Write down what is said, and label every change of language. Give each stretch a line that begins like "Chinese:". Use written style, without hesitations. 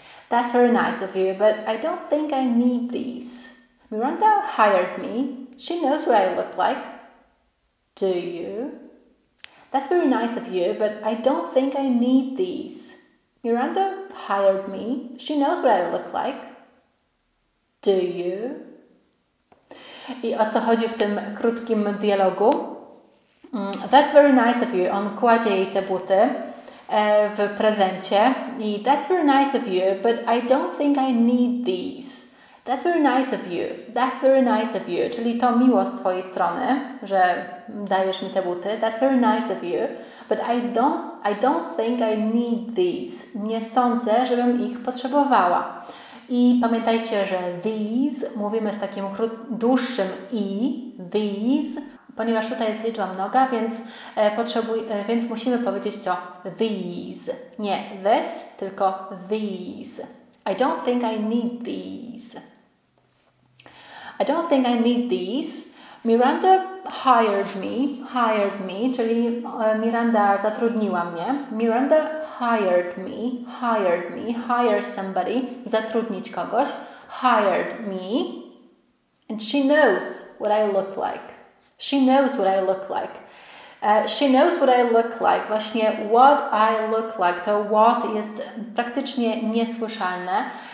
English: That's very nice of you, but I don't think I need these. Miranda hired me, she knows what I look like. Do you? That's very nice of you, but I don't think I need these. Miranda hired me, she knows what I look like. Do you?
Polish: I o co chodzi w tym krótkim dialogu?
English: That's very nice of you.
Polish: On kładzie jej te buty w prezencie.
English: I that's very nice of you, but I don't think I need these. That's very nice of you. That's very nice of you.
Polish: Czyli to miło z twojej strony, że dajesz mi te buty.
English: That's very nice of you, but I don't think I need these.
Polish: Nie sądzę, żebym ich potrzebowała. I pamiętajcie, że these mówimy z takim dłuższym i, these, ponieważ tutaj jest liczba mnoga, więc więc musimy powiedzieć to these. Nie this, tylko these.
English: I don't think I need these. I don't think I need these. Miranda hired me,
Polish: czyli Miranda zatrudniła mnie.
English: Miranda hired me, hire somebody,
Polish: zatrudnić kogoś.
English: Hired me, and she knows what I look like. She knows what I look like. She knows what I look like.
Polish: Właśnie
English: what I look like.
Polish: To what jest praktycznie niesłyszalne.